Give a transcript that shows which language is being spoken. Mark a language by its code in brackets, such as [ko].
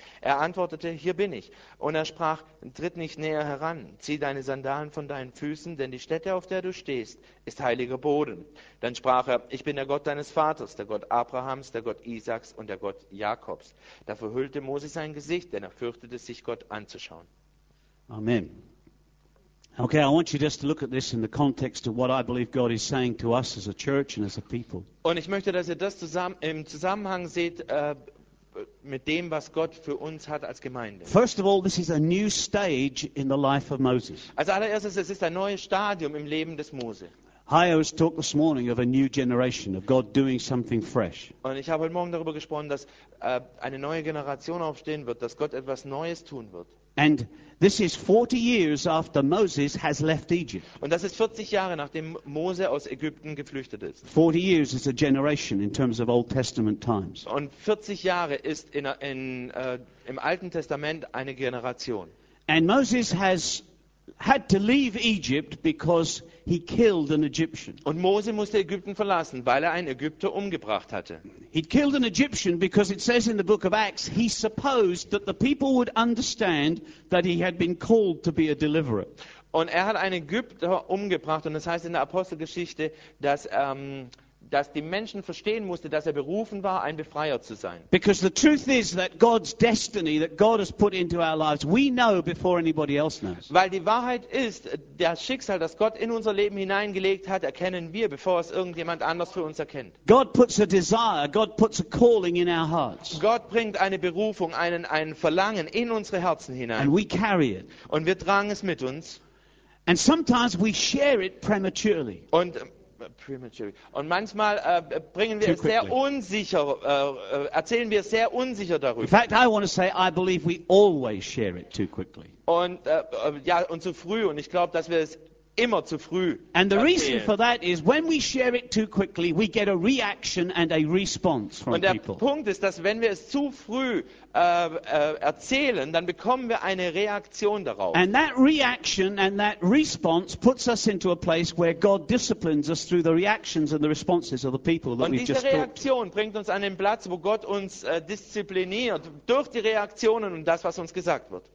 [de] Er antwortete, hier bin ich. Und er sprach, tritt nicht näher heran, zieh deine Sandalen von deinen Füßen, denn die Stätte, auf der du stehst, ist heiliger Boden. Dann sprach er, ich bin der Gott deines Vaters, der Gott Abrahams, der Gott Isaaks und der Gott Jakobs. Da verhüllte Mose sein Gesicht, denn er fürchtete sich, Gott anzuschauen. Amen. [en] Okay, I want you just to look at this in the context of what I believe God is saying to us as a church and as a people. [de] Und ich möchte, dass ihr das im Zusammenhang seht mit dem, was Gott für uns hat als Gemeinde. [en] First of all, this is a new stage in the life of Moses. [de] Als allererstes, es ist ein neues Stadium im Leben des Mose. [en] I was talking this morning of a new generation, of God doing something fresh. [de] Und ich habe heute Morgen darüber gesprochen, dass eine neue Generation aufstehen wird, dass Gott etwas Neues tun wird. [en] And this is 40 years after Moses has left Egypt. [de] Und das ist 40 Jahre nachdem Mose aus Ägypten geflüchtet ist. [en] 40 years is a generation in terms of Old Testament times. [de] Und 40 Jahre ist im Alten Testament eine Generation. [en] And Moses has had to leave Egypt because he killed an Egyptian. [de] Und Mose musste Ägypten verlassen, weil er einen Ägypter umgebracht hatte. [en] He killed an Egyptian because it says in the book of Acts he supposed that the people would understand that he had been called to be a deliverer. [de] Und er hat einen Ägypter umgebracht und das heißt in der Apostelgeschichte, dass die Menschen verstehen mussten, dass er berufen war, ein Befreier zu sein. [en] Because the truth is that God's destiny that God has put into our lives, we know before anybody else knows. [de] Weil die Wahrheit ist, das Schicksal, das Gott in unser Leben hineingelegt hat, erkennen wir, bevor es irgendjemand anders für uns erkennt. [en] God puts a desire, God puts a calling in our hearts. [de] Gott bringt eine Berufung, ein Verlangen in unsere Herzen hinein. [en] And we carry it. [de] Und wir tragen es mit uns. [en] And sometimes we share it prematurely. [de] Und manchmal bringen wir sehr unsicher, erzählen wir sehr unsicher darüber. [en] In fact, I want to say, I believe we always share it too quickly. [de] Und und zu früh. Und ich glaube, dass wir es immer zu früh. [en] And the reason for that is, when we share it too quickly, we get a reaction and a response from people. [de] Und der Punkt ist, dass wenn wir es zu früh erzählen, dann bekommen wir eine Reaktion darauf. [en] And that reaction and that response puts us into a place where God disciplines us through the reactions and the responses of the people that we've just talked. [de] Und diese Reaktion bringt uns an den Platz, wo Gott uns diszipliniert durch die Reaktionen und das, was uns gesagt wird.